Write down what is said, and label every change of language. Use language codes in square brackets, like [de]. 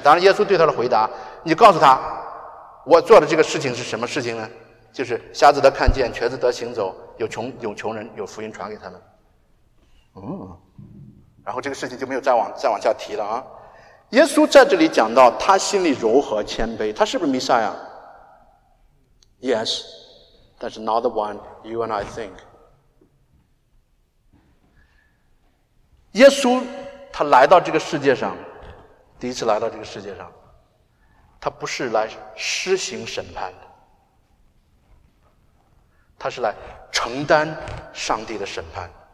[zh] 当然耶稣对他的回答，你告诉他我做的这个事情是什么事情呢，就是瞎子得看见，瘸子得行走，有穷人有福音传给他们。然后这个事情就没有再往下提了啊。耶稣在这里讲到他心里柔和谦卑，他是不是弥赛亚？ [en] Yes, that's not the one you and I think。 [zh] 耶稣他来到这个世界上，第一次来到这个世界上，他不是来施行审判的，他是来承担上帝的审判。